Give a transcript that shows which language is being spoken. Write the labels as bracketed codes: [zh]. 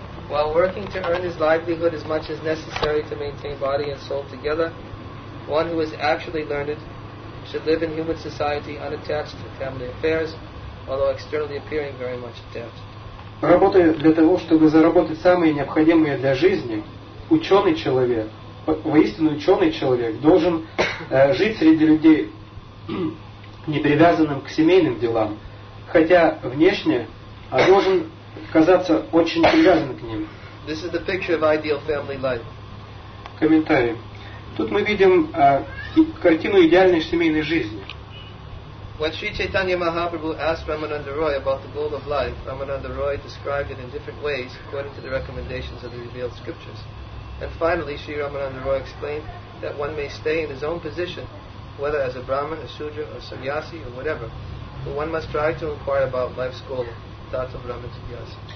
[en] While working to earn his livelihood as much as necessary to maintain body and soul together, one who is actually learned should live in human society unattached to family affairs, although externally appearing very much attached. [ru] Работая для того, чтобы заработать самые необходимые для жизни, ученый человек, воистину ученый человек, должен жить среди людей, не привязанным к семейным делам, хотя внешне должен казаться очень привязанным к ним. [en] This is the picture of ideal family life. [ru] Комментарий. Тут мы видим картину идеальной семейной жизни. [en] When Sri Chaitanya Mahaprabhu asked Ramananda Roy about the goal of life, Ramananda Roy described it in different ways according to the recommendations of the revealed scriptures. And finally, Sri Ramananda Roy explained that one may stay in his own position, whether as a Brahmin, a Sudra, a Sannyasi, or whatever, but one must try to inquire about life's goal, thoughts of Brahmin Sannyasi.